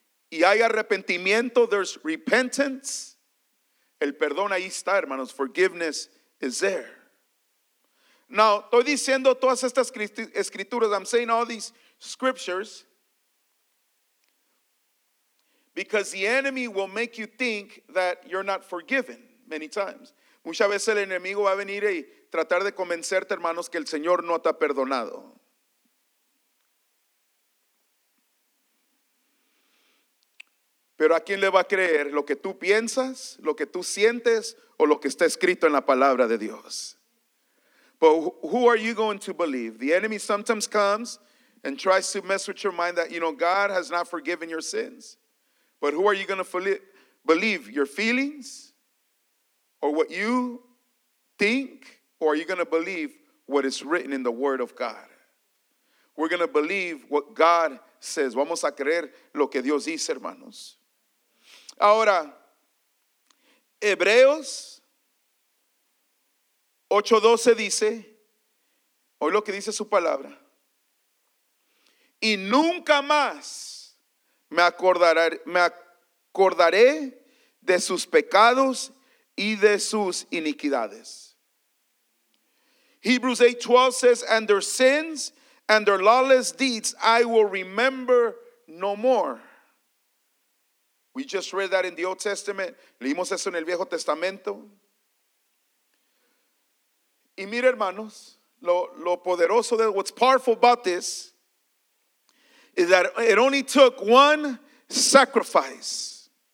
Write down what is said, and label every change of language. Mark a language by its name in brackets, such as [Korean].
[Spanish] Y hay arrepentimiento. [English] There's repentance. [Spanish] El perdón ahí está, hermanos. [English] Forgiveness is there. Now, [Spanish] estoy diciendo todas estas escrituras. [English] I'm saying all these scriptures. Because the enemy will make you think that you're not forgiven many times. [Spanish] Muchas veces el enemigo va a venir y tratar de convencerte, hermanos, que el Señor no te ha perdonado. Pero ¿a quién le va a creer? ¿Lo que tú piensas, lo que tú sientes, o lo que está escrito en la palabra de Dios? [English] But who are you going to believe? The enemy sometimes comes and tries to mess with your mind that, you know, God has not forgiven your sins. But who are you going to believe? Your feelings? Or what you think? Or are you going to believe what is written in the word of God? We're going to believe what God says. [Spanish] Vamos a creer lo que Dios dice, hermanos. Ahora, Hebreos 8:12 dice, oye lo que dice su palabra. Y nunca más me acordaré de sus pecados y de sus iniquidades. [English] Hebrews 8:12 says, and their sins and their lawless deeds I will remember no more. We just read that in the Old Testament. [Spanish] Leímos eso en el Viejo Testamento. Y mira, hermanos, lo poderoso de [English] what's powerful about this is that it only took one sacrifice.